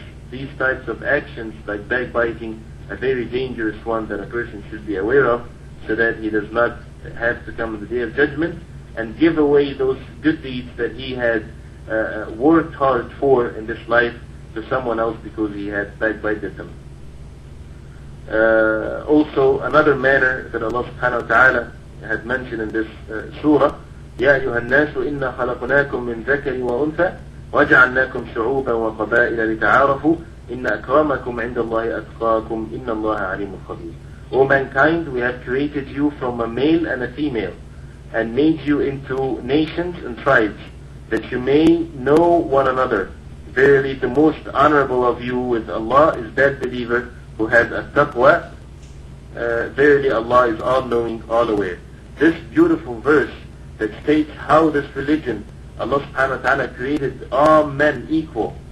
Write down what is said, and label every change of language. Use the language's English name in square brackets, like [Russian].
[English] these types of actions like backbiting a very dangerous one that a person should be aware of, so that he does not have to come on the Day of Judgment and give away those good deeds that he had worked hard for in this life to someone else because he had backbited them. Also, another manner that Allah subhanahu wa ta'ala had mentioned in this surah, [Arabic] يا أيها الناس إنا خلقناكم من ذكر وأنثى وجعلناكم شعوبا وقبائل لتعارفوا إن أكرمكم عند الله أتقاكم إن الله عليم خبير. [English] O mankind, we have created you from a male and a female and made you into nations and tribes that you may know one another. Verily the most honorable of you with Allah is that believer who has a taqwa. Verily Allah is all-knowing, all-aware. This beautiful verse that states how this religion, Allah subhanahu wa ta'ala created all men equal.